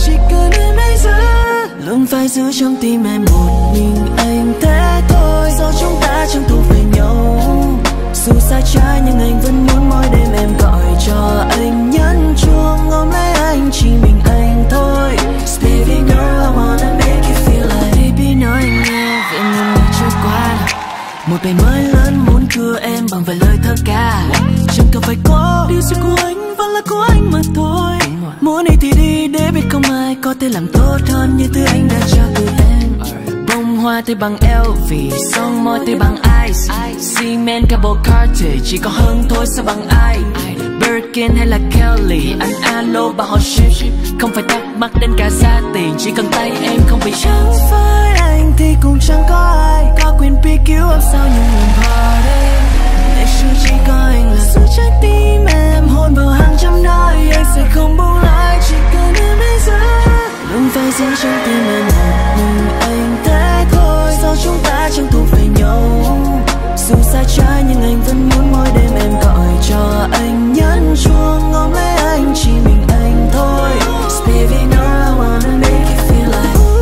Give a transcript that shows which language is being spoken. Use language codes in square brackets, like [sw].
[vi] Chỉ cần em hãy giữ. Luôn phải giữ trong tim em một mình anh thế thôi. Do chúng ta chẳng thuộc về nhau. Dù xa trái nhưng anh vẫn muốn mỗi đêm em gọi cho anh nhấn chuông. Ôm lấy anh chỉ mình anh thôi. [en] Baby girl I wanna make you feel like. [vi] Baby nói anh nghe về những ngày trôi qua. Một ngày mới lớn muốn cưa em bằng vài lời thơ ca. Chẳng cần phải có điều gì của anh vẫn là của anh mà thôi. Muốn đi thì đi để biết không ai có thể làm tốt hơn như thứ anh đã cho từ em. Bông hoa thì bằng LV, son môi thì bằng ice. [en] Cement cable Carter [vi] chỉ có hơn thôi sao bằng ai. Birkin hay là Kelly, anh alo bà họ ship. Không phải thắc mắc đến cả giá tiền, chỉ cần tay em không bị chán. Chẳng phải anh thì cũng chẳng có ai. Có quyền [en] pick you up [vi] sau những lần party. [en] Make sure [vi] chỉ có anh là giữ trái tim em. Hôn vào hàng trăm nơi, anh sẽ không buông lại. Chỉ cần em hãy giữ. Luôn phải giữ trong tim em một mình anh thế thôi. Do chúng ta chẳng thuộc về nhau. Dù xa trái nhưng anh vẫn muốn mỗi đêm em gọi cho anh nhấn chuông. Ôm lấy anh chỉ mình anh thôi. [en] Baby girl I wanna make you feel like.